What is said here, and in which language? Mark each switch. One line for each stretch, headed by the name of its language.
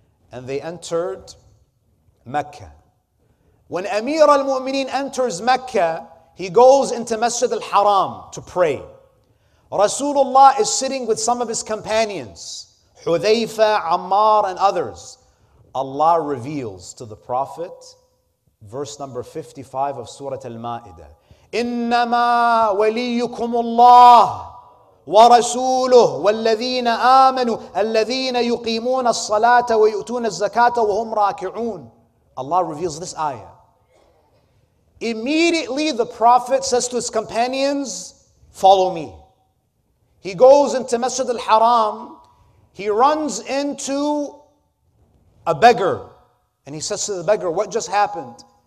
English: And they entered Mecca. When Amir al-Mu'mineen enters Mecca, he goes into Masjid al-Haram to pray. Rasulullah is sitting with some of his companions, Hudhayfa, Ammar, and others. Allah reveals to the Prophet, verse number 55 of Surah Al-Ma'idah,
Arabic: إِنَّمَا وَلِيُّكُمُ اللَّهُ وَرَسُولُهُ وَالَّذِينَ آمَنُوا الَّذِينَ يُقِيمُونَ الصَّلَاةَ وَيُؤْتُونَ الزَّكَاةَ وَهُمْ رَاكِعُونَ.
English: Allah reveals this ayah. Immediately the Prophet says to his companions, follow me. He goes into Masjid al-Haram, he runs into a beggar, and he says to the beggar, what just happened?